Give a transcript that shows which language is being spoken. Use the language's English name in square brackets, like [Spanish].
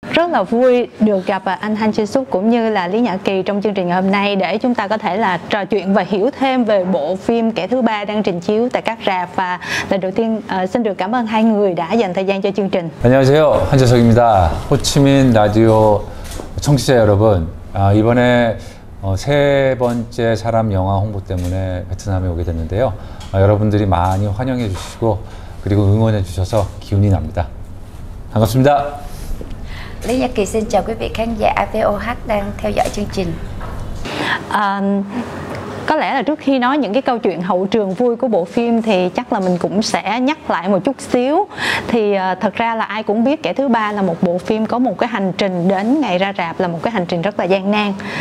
[Vietnamese] Rất là vui được gặp anh Han Ji-suk cũng như là Lý Nhã Kỳ trong chương trình ngày hôm nay để chúng ta có thể là trò chuyện và hiểu thêm về bộ phim Kẻ Thứ Ba đang trình chiếu tại các rạp. Và lần đầu tiên xin được cảm ơn hai người đã dành thời gian cho chương trình. [Korean] 안녕하세요. 한재석입니다. 호치민 라디오 청취자 여러분. 이번에 세 번째 사람 영화 홍보 때문에 베트남에 오게 됐는데요. 여러분들이 많이 환영해 주시고 그리고 응원해 주셔서 기운이 납니다. 반갑습니다. [Vietnamese] Lý Nhã Kỳ xin chào quý vị khán giả VOH đang theo dõi chương trình. Có lẽ là trước khi nói những cái câu chuyện hậu trường vui của bộ phim thì chắc là mình cũng sẽ nhắc lại một chút xíu. Thì thật ra là ai cũng biết Kẻ Thứ Ba là một bộ phim có một cái hành trình đến ngày ra rạp là một cái hành trình rất là gian nan.